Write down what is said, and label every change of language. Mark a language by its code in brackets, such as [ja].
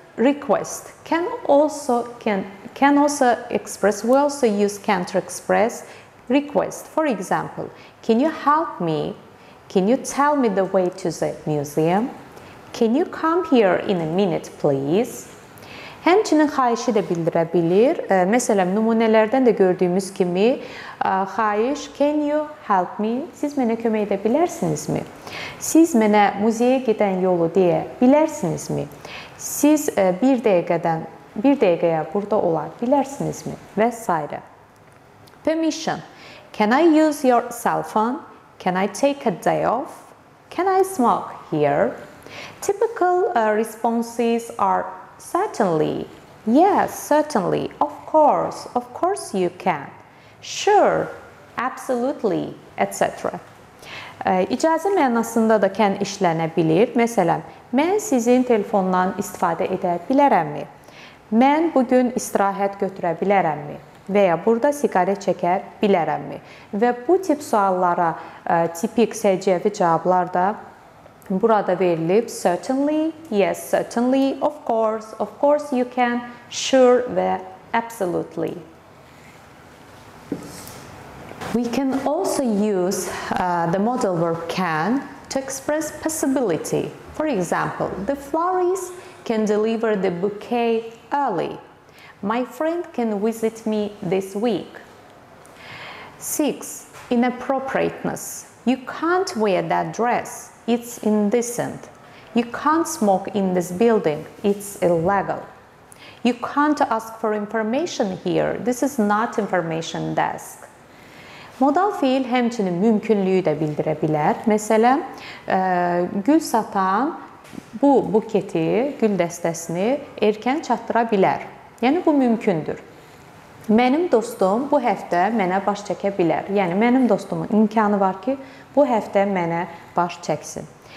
[en] request can also express, we also use can to express request. For example, can you help me? Can you tell me the way to the museum? Can you come here in a minute, please? [az] Həmçinin xahişi də bildirə bilir. Məsələn, nümunələrdən də gördüyümüz kimi xahiş, [en] can you help me? [az] Siz mənə kömək edə bilərsinizmi? Siz mənə muzeyə gedən yolu deyə bilərsinizmi? Siz bir dəqiqəyə burada ola bilərsinizmi? Və s. [en] Permission. Can I use your cell phone? Can I take a day off? Can I smoke here? Typical responses are certainly, yes, certainly, of course you can, sure, absolutely, etc. [az] İcazə mənasında da can işlənə bilir. Məsələn, mən sizin telefondan istifadə edə bilərəmmi? Mən bugün istirahət götürə bilərəmmi? Və ya burada siqaret çəkə bilərəmmi? Və bu tip suallara tipik səciyyəvi cavablar da burada verilib [en] certainly, yes, certainly, of course you can, sure [az] və absolutely. [en] We can also use the modal verb can to express possibility. For example, the florist can deliver the bouquet early. My friend can visit me this week. 6. Inappropriateness. You can't wear that dress. It's indecent. You can't smoke in this building. It's illegal. You can't ask for information here. This is not information desk. [az] Modal fiil həmçinin mümkünlüyü də bildirə bilər. Məsələn, gül satan bu buketi, gül dəstəsini erkən çatdıra bilər. Yəni, bu mümkündür. Mənim dostum bu həftə mənə baş çəkə bilər. Yəni, mənim dostumun imkanı var ki, bu həftə mənə baş çəksin.